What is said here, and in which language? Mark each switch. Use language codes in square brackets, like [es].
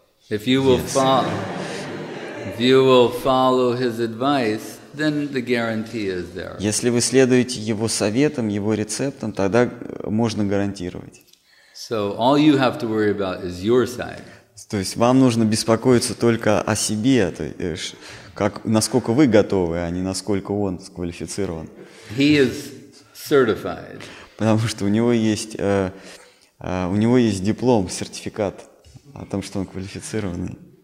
[en] If you will follow, if you will follow his advice, then the guarantee is there. [ru] Если вы следуете его советам, его рецептам, тогда можно гарантировать. [en] So all you have to worry about is your side. [ru] То есть вам нужно беспокоиться только о себе, как, насколько вы готовы, а не насколько он сквалифицирован. [en] He is certified. [ru] Потому что у него есть диплом, сертификат о том, что он квалифицированный.